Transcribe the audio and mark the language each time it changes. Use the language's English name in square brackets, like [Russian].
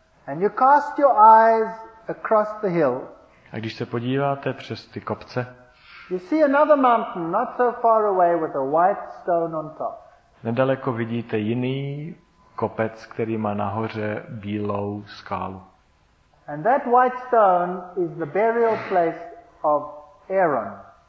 [English] and you cast your eyes across the hill, [Czech] a když se podíváte přes ty kopce, [English] you see another mountain not so far away with a white stone on top. [Czech] Nedaleko vidíte jiný kopec, který má nahoře bílou skálu. [English] And that white stone is the burial place of Aaron.